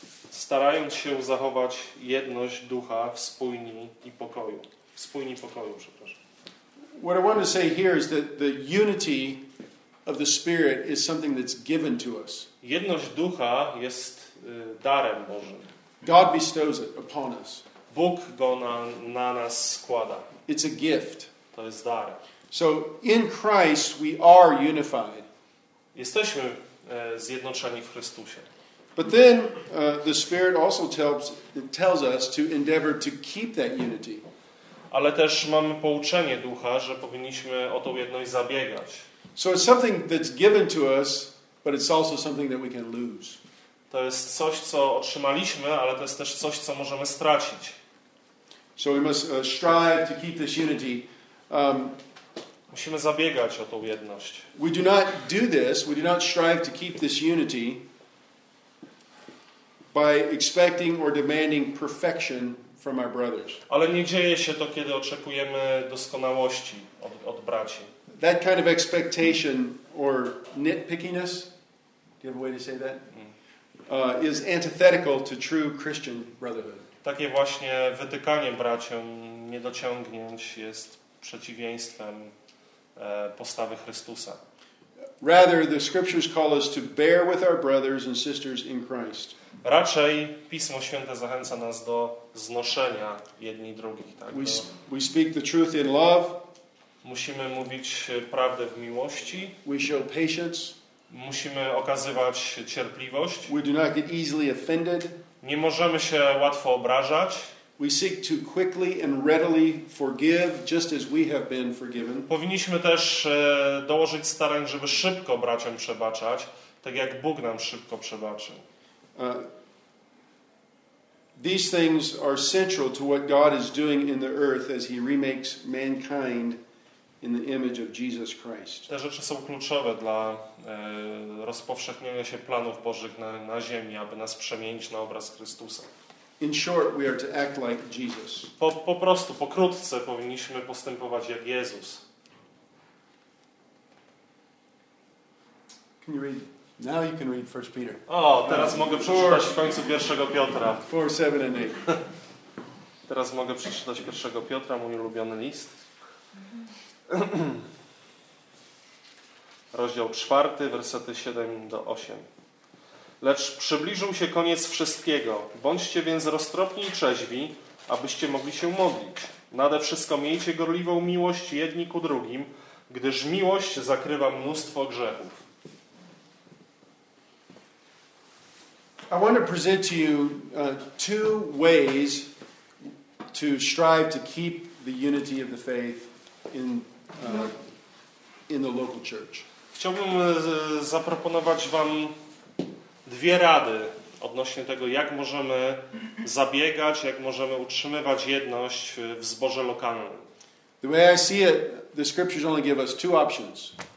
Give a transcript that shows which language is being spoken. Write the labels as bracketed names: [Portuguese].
[Polish] Starając się zachować jedność ducha w spójni i pokoju. W spójni pokoju, przepraszam. [English] What I want to say here is that the unity of the Spirit is something that's given to us. [Polish] Jedność ducha jest darem Bożym. [English] God bestows it upon us. [Polish] Bóg go na nas składa. [English] It's a gift. [Polish] To jest dar. [English] So in Christ we are unified. [Polish] jesteśmy zjednoczeni w Chrystusie. [English] But then the Spirit also tells us to endeavor to keep that unity. [Polish] Ale też mamy pouczenie Ducha, że powinniśmy o tą jedność zabiegać. [English] So it's something that's given to us, but it's also something that we can lose. [Polish] To jest coś, co otrzymaliśmy, ale to jest też coś, co możemy stracić. [English] So we must strive to keep this unity. [Polish] Musimy zabiegać o tą jedność. [English] We do not do this, we do not strive to keep this unity by expecting or demanding perfection from our brothers. [Polish] Ale nie dzieje się to, kiedy oczekujemy doskonałości od braci. [English] That kind of expectation or nitpickiness, do you have a way to say that? Is antithetical to true Christian brotherhood. [Polish] Takie właśnie wytykanie braciom, niedociągnięć, jest przeciwieństwem postawy Chrystusa. [English] Rather, the scriptures call us to bear with our brothers and sisters in Christ. [Polish] Raczej Pismo Święte zachęca nas do znoszenia jedni drugich. Tak? [English] We speak the truth in love. [Polish] Musimy mówić prawdę w miłości. [English] We show patience. [Polish] Musimy okazywać cierpliwość. [English] We do not get easily offended. [Polish] Nie możemy się łatwo obrażać. [English] We seek to quickly and readily forgive, just as we have been forgiven. [Polish] Powinniśmy też dołożyć starań, żeby szybko braciom przebaczać, tak jak Bóg nam szybko przebaczył. [English] These things are central to what God is doing in the earth as He remakes mankind in the image of Jesus Christ. [Polish] Te rzeczy są kluczowe dla rozpowszechniania się planów Bożych na ziemi, aby nas przemienić na obraz Chrystusa. [English] In short, we are to act like Jesus. [Polish] Po prostu, pokrótce, powinniśmy postępować jak Jezus. [English] Can you read? Now you can read 1 Peter. [Polish] Teraz mogę przeczytać w końcu 1 Piotra. [English] 4, 7 and 8. [Polish] Teraz mogę przeczytać 1 Piotra, mój ulubiony list. Rozdział 4, wersety 7-8. Lecz przybliżył się koniec wszystkiego. Bądźcie więc roztropni i trzeźwi, abyście mogli się modlić. Nade wszystko miejcie gorliwą miłość jedni ku drugim, gdyż miłość zakrywa mnóstwo grzechów. [English] I want to present to you two ways to strive to keep the unity of the faith in the local church. [Polish] Chciałbym zaproponować wam dwie rady odnośnie tego, jak możemy zabiegać, jak możemy utrzymywać jedność w zborze lokalnym. [English] The way I see it, the scriptures only give us two options.